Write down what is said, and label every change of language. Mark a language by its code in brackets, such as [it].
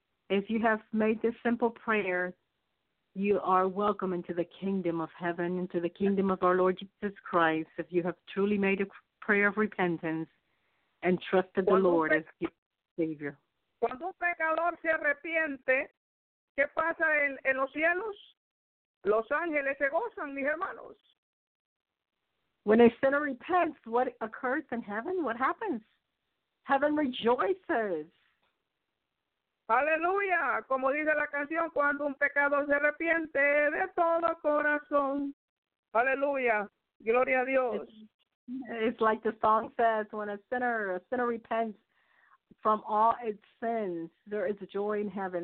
[en] If you have made this simple prayer, you are welcome into the kingdom of heaven, into the kingdom of our Lord Jesus Christ. If you have truly made a prayer of repentance and trusted the Lord as your Savior. [es] Cuando un pecador se arrepiente, ¿qué pasa en los cielos? Los ángeles se gozan, mis hermanos. [en] When a sinner repents, what occurs in heaven? What happens? Heaven rejoices. [es] Aleluya. Como dice la canción, cuando un pecador se arrepiente de todo corazón. Aleluya. Gloria a Dios. [en] It's like the song says, when a sinner repents from all its sins, there is joy in heaven.